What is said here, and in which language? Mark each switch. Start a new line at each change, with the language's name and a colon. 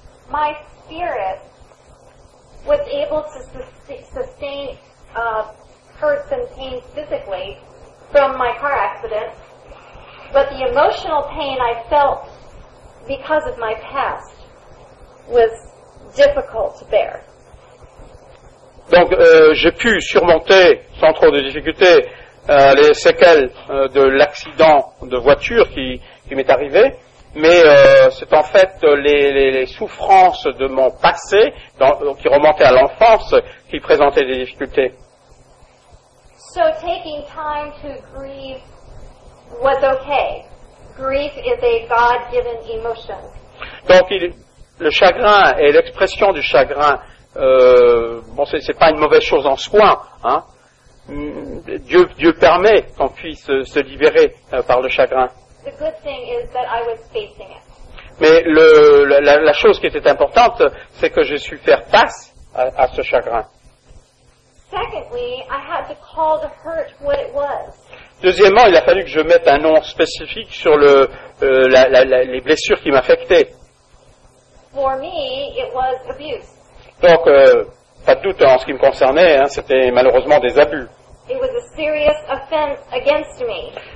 English: My spirit was able to sustain hurts and pains physically from my car accident, but the emotional pain I felt because of my past was difficult to bear.
French: Donc, j'ai pu surmonter, sans trop de difficultés, les séquelles de l'accident de voiture qui m'est arrivé, mais c'est en fait les souffrances de mon passé, qui remontaient à l'enfance, qui présentaient des difficultés.
English: So taking time to grieve was okay. Grief is a God-given emotion.
French: Donc, le chagrin et l'expression du chagrin, c'est pas une mauvaise chose en soi, hein. Dieu permet qu'on puisse se libérer par le chagrin.
English: The good thing is that I was facing it.
French: Mais la chose qui était importante, c'est que j'ai su faire face à ce chagrin.
English: Secondly, I had to call the hurt what it was.
French: Deuxièmement, il a fallu que je mette un nom spécifique sur les blessures qui m'affectaient.
English: For me, it was abuse.
French: Donc, pas de doute en ce qui me concernait, hein, c'était malheureusement des abus.
English: It was a serious offense against me.